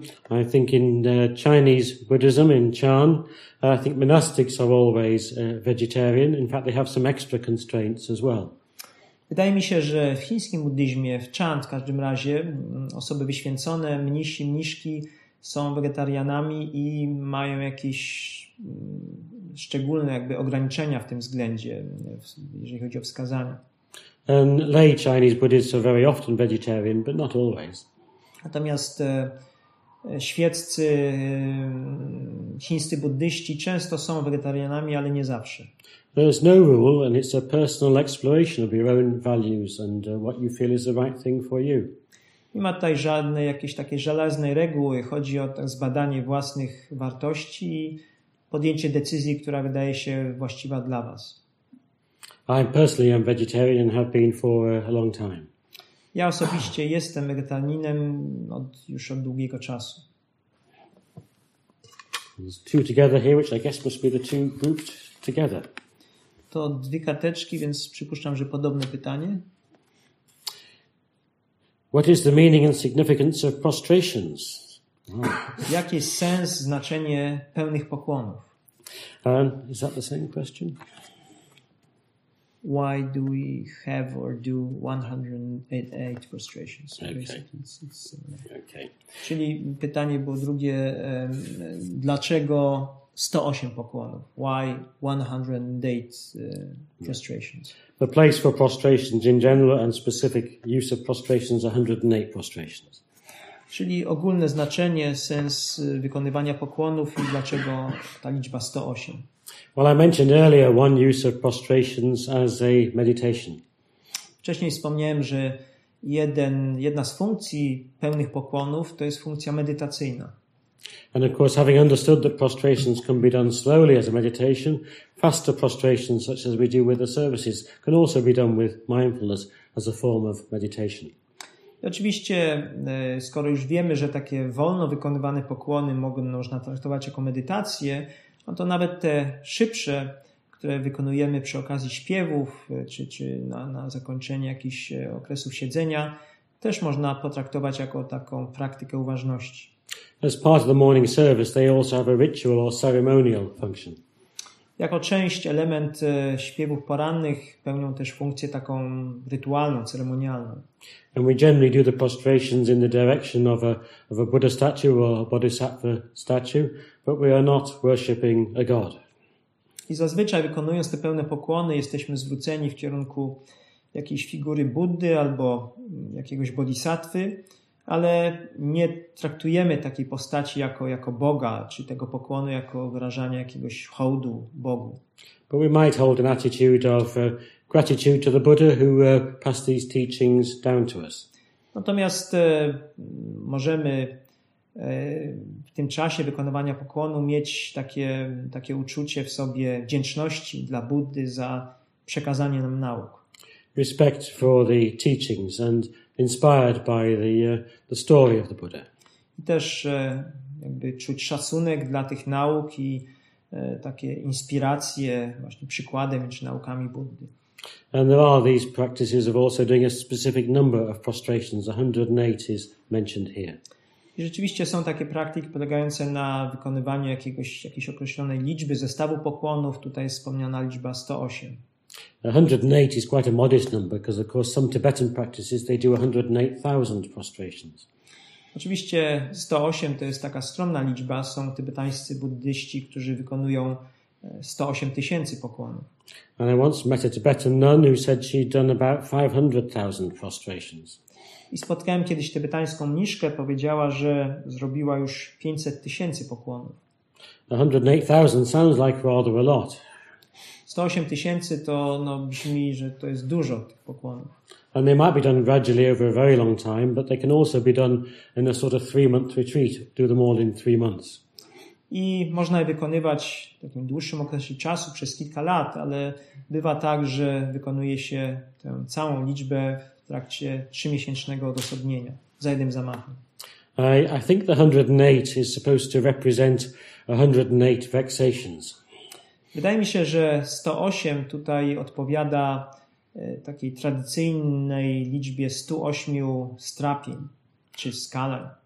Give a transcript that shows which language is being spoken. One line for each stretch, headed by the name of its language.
English: I think in the Chinese Buddhism, in Chan, I think monastics are always vegetarian. In fact, they have some extra constraints as well.
Polish: Wydaje mi się, że w chińskim buddyzmie, w Chan w każdym razie, osoby wyświęcone, mnisi, mniszki, są wegetarianami i mają jakieś szczególne jakby ograniczenia w tym względzie, jeżeli chodzi o wskazania.
English: And lay Chinese Buddhists are very often vegetarian, but not always.
Polish: Natomiast świeccy chińscy buddyści często są wegetarianami, ale nie zawsze.
English: There's no rule, and it's a personal exploration of your own values and what you feel is the right thing for you.
Polish: Nie ma tutaj żadnej jakiejś takiej żelaznej reguły. Chodzi o zbadanie własnych wartości i podjęcie decyzji, która wydaje się właściwa dla was.
English: I personally am vegetarian and have been for a long time.
Polish: Ja osobiście jestem wegetarianinem już od długiego czasu.
English: There's two together here, which I guess must be the two grouped together.
Polish: To dwie karteczki, więc przypuszczam, że podobne pytanie.
English: What is the meaning and significance of prostrations?
Polish: Jaki jest sens, znaczenie pełnych pokłonów?
English: Is that the same question? Why do we have or do 108 prostrations? Okay.
Polish: Czyli pytanie było drugie, dlaczego 108 pokłonów?
English: Why 108 prostrations? The place for prostrations in general and specific use of prostrations, 108 prostrations.
Polish: Czyli ogólne znaczenie, sens wykonywania pokłonów i dlaczego ta liczba 108?
English: Well, I mentioned earlier one use of prostrations as a meditation.
Polish: Wcześniej wspomniałem, że jedna z funkcji pełnych pokłonów to jest funkcja medytacyjna.
English: And of course, having understood that prostrations can be done slowly as a meditation, faster prostrations such as we do with the services can also be done with mindfulness as a form of meditation.
Polish: Oczywiście, skoro już wiemy, że takie wolno wykonywane pokłony można traktować jako medytację, no to nawet te szybsze, które wykonujemy przy okazji śpiewów czy na zakończenie jakichś okresów siedzenia, też można potraktować jako taką praktykę uważności.
English: As part of the morning service, they also have a ritual or ceremonial function.
Polish: Jako część, element śpiewów porannych pełnią też funkcję taką rytualną, ceremonialną.
English: And we generally do the prostrations in the direction of a Buddha statue or a Bodhisattva statue, but we are not worshipping a god.
Polish: I zazwyczaj wykonując te pełne pokłony, jesteśmy zwróceni w kierunku jakiejś figury Buddy albo jakiegoś Bodhisattwy, ale nie traktujemy takiej postaci jako Boga, czy tego pokłonu jako wyrażanie jakiegoś hołdu Bogu.
English: But we might hold an attitude of gratitude to the Buddha who passed these teachings down to us.
Polish: Natomiast możemy w tym czasie wykonywania pokłonu mieć takie uczucie w sobie wdzięczności dla Buddy za przekazanie nam nauk.
English: Respect for the teachings and inspired by the story of the Buddha.
Polish: I też jakby czuć szacunek dla tych nauk i takie inspiracje właśnie przykładem czy naukami Buddy.
English: And there are these practices of also doing a specific number of prostrations. 108 is mentioned here.
Polish: I rzeczywiście są takie praktyki polegające na wykonywaniu jakiejś określonej liczby zestawu pokłonów. Tutaj jest wspomniana liczba 108.
English: 108 is quite a modest number because of course some Tibetan practices they do 108,000 prostrations.
Polish: Oczywiście 108 to jest taka skromna liczba. Są tybetańscy buddyści, którzy wykonują 108 tysięcy pokłonów.
English: And I once met a Tibetan nun who said she'd done about 500,000 prostrations.
Polish: I spotkałem kiedyś tybetańską mniszkę, powiedziała, że zrobiła już 500 tysięcy pokłonów.
English: 108,000 sounds like rather a lot.
Polish: 108 tysięcy to brzmi, że to jest dużo tych pokłonów.
English: And they might be done gradually over a very long time, but they can also be done in a sort of 3-month retreat, do them all in 3 months.
Polish: I można je wykonywać w takim dłuższym okresie czasu, przez kilka lat, ale bywa tak, że wykonuje się tę całą liczbę w trakcie 3-miesięcznego odosobnienia, za jednym zamachem.
English: I think the 108 is supposed to represent 108 vexations.
Polish: Wydaje mi się, że 108 tutaj odpowiada takiej tradycyjnej liczbie 108 strapień czy skaleń.